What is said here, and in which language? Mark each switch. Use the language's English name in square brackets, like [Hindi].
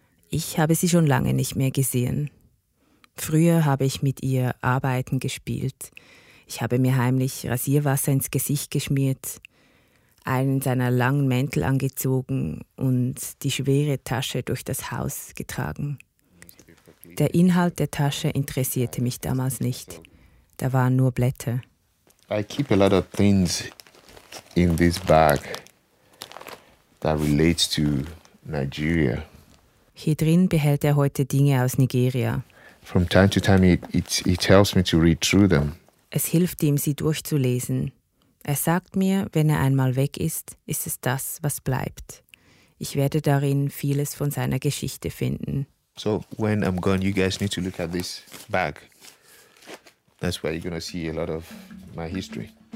[German] Ich habe sie schon lange nicht mehr gesehen. Früher habe ich mit ihr Arbeiten gespielt. Ich habe mir heimlich Rasierwasser ins Gesicht geschmiert, einen seiner langen Mäntel angezogen und die schwere Tasche durch das Haus getragen. Der Inhalt der Tasche interessierte mich damals nicht. Da waren nur Blätter. [English] I keep a lot of things in this bag that relates to Nigeria. [German] Hier drin behält er heute Dinge aus Nigeria. [English] From time to time it helps me to read through them. [German] Es hilft ihm, sie durchzulesen. Er sagt mir, wenn er einmal weg ist, ist es das, was bleibt. Ich werde darin vieles von seiner Geschichte finden. [English] So, when I'm gone, you guys need to look at this bag. That's where you're going to see a lot of my history.